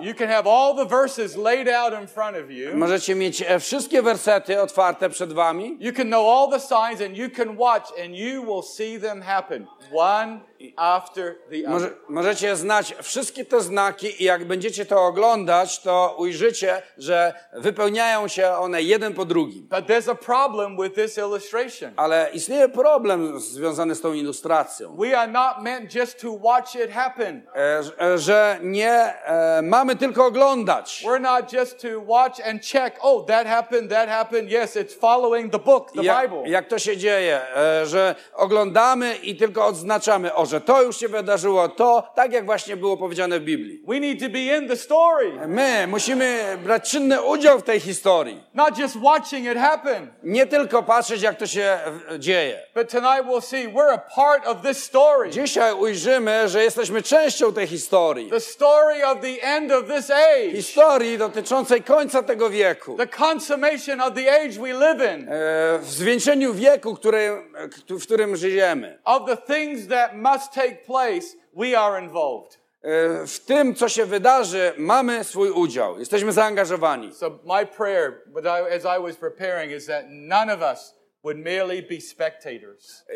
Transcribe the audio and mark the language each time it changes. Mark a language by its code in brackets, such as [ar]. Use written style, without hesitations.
[en] You can have all the verses laid out in front of you. [pl] Możecie mieć wszystkie wersety otwarte przed wami. [en] You can know all the signs and you can watch and you will see them happen one after the other. [pl] Możecie znać wszystkie te znaki i jak będziecie to oglądać, to ujrzycie, że wypełniają się one jeden po drugim. [en] But there's a problem with this illustration. [pl] Ale istnieje problem związany z tą ilustracją. [en] We are not meant just to watch it happen. [pl] Że nie mamy tylko oglądać. [en] We're not just to watch and check. Oh, that happened, yes, it's following the book, the Bible. [pl] Jak to się dzieje, że oglądamy i tylko odznaczamy, o, że to już się wydarzyło, to tak jak właśnie było powiedziane w Biblii. [en] We need to be in the story. [pl] My musimy brać czynny udział w tej historii. [en] Not just watching it happen. [pl] Nie tylko patrzeć, jak to się dzieje. [en] But tonight we'll see, we're a part of this story. [pl] Dzisiaj ujrzymy, że jesteśmy częścią tej historii. [en] The story of the end of this age. [pl] Historii dotyczącej końca tego wieku. [en] The consummation of the age we live in. [pl] W zwieńczeniu wieku, w którym żyjemy. [en] Of the things that must take place, we are involved. [pl] W tym, co się wydarzy, mamy swój udział. Jesteśmy zaangażowani. [en] So my prayer, as I was preparing, is that none of us would merely be spectators.